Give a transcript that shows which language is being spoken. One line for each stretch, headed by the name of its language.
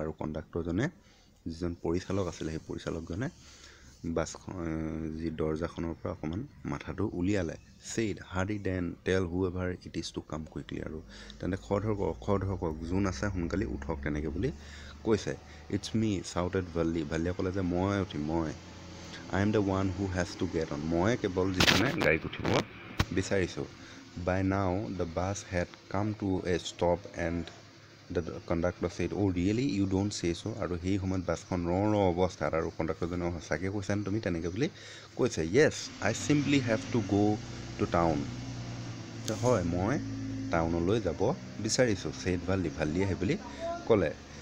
Assamese: আৰু কণ্ডাক্টৰজনে যিজন পৰিচালক আছিলে সেই পৰিচালকজনে বাছখন যি দৰ্জাখনৰ পৰা অকণমান মাথাটো উলিয়ালে, "ছেইড হাৰ্ডি ডেন টেল হু ever it is to come quickly" আৰু তেন্তে খৰধৰ কৰক যোন আছে সোনকালে উঠক তেনেকৈ বুলি কৈছে।
English: "it's me," shouted ভেল্লি,
Assamese: ভেল্লিয়ে ক'লে যে মই উঠিম,
English: "I am the one who has to get on,"
Assamese: মই কেৱল যিজনে গাড়ীত উঠিব বিচাৰিছোঁ।
English: "By now the bus had come to a stop and the conductor said, "oh' really, you don't say so'?"
Assamese: আৰু সেই সময়ত বাছখন ৰ ৰ অৱস্থাত আৰু কণ্ডাক্টৰজনে সঁচাকৈ কৈছে নে তুমি তেনেকৈ বুলি কৈছে,
English: "yes I simply have to go' to town,"
Assamese: হয় মই টাউনলৈ যাব বিচাৰিছোঁ,
English: said ভাল্লি,
Assamese: ভাল্লিয়ে সেইবুলি ক'লে।